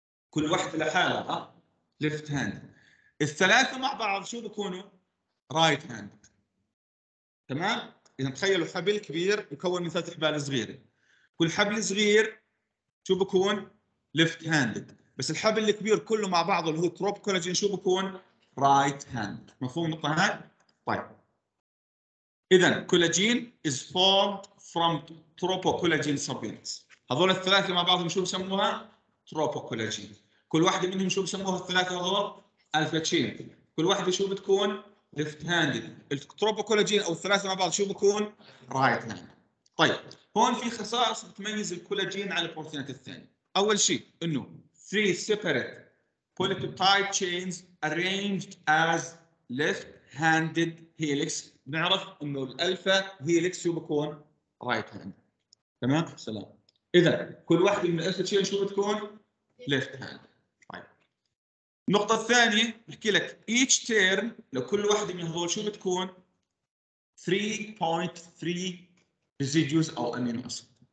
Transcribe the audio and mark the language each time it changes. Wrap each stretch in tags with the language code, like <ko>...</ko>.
<ar>كل واحدة لحالها ليفت هاند. الثلاثة مع بعض شو بكونوا رايت هاند. تمام. إذا تخيلوا حبل كبير يكون من ثلاث حبال صغيرة كل حبل صغير شو بكون ليفت هاند. بس الحبل الكبير كله مع بعض اللي هو تروب كولاجين شو بكون رايت هاند. مفهوم النقطة هاي. طيب إذن</ar> <en>Collagen is formed from tropocollagen subunits.</en> <ar>هذول الثلاثة مع بعضهم شو بسموها tropocollagen. كل واحدة منهم شو بسموها الثلاثة هذول alpha chain. كل واحدة شو بتكون left handed. التروبوكولاجين أو الثلاثة مع بعض شو بكون right handed. طيب هون في خصائص بتميز الكولاجين على البروتينات الثانية. أول شيء إنه</ar> <en>three separate polypeptide chains arranged as left handed helix.</en> <ar>نعرف انه الالفا هيليكس شو بكون رايت هاند. تمام سلام. اذا كل واحده من الالفا تشين شو بتكون ليفت هاند. طيب النقطه الثانيه بحكي لك ايتش تيرن لكل واحده من هذول شو بتكون 3.3 ريزيدوز او امينو اسيد.</ar>